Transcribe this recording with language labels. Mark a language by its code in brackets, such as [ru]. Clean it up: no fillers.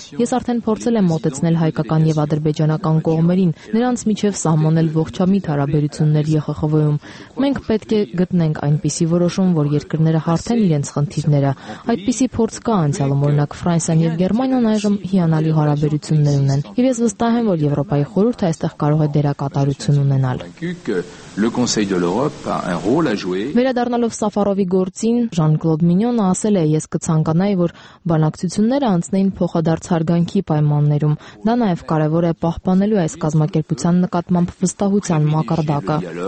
[hy] Ես արդեն փորձել եմ մոտեցնել հայկական և ադրբեջանական կողմերին, նրանց միջև սահմանել ողջամիտ հարաբերություններ ԵԽԽՎ-ում։ Մենք պետք է գտնենք այնպիսի որոշում, որ երկրները հարթեն իրենց խնդիրները։ Այդպիսի փորձ կա անցյալում, օրինակ Ֆրանսիան և Գերմանիան այժմ հիանալի հարաբերություններ ունեն, և ես վստահ եմ, որ Եվրոպայի խորհուրդը այստեղ կարող է դերակատարություն ունենալ։ [fr] Le Conseil de l'Europe a un rôle à jouer. [hy] Վերադառնալով Սաֆարովի գործին, Ժան-Կլոդ Մինյոնը ասել է, ես կցանկանայի, որ բանակցությունները անցնեին փոխադարձ հարգանքի պայմաններում։ Դա նաև կարևոր է պահպանելու այս կազմակերպության նկատմամբ վստահության մակարդակը։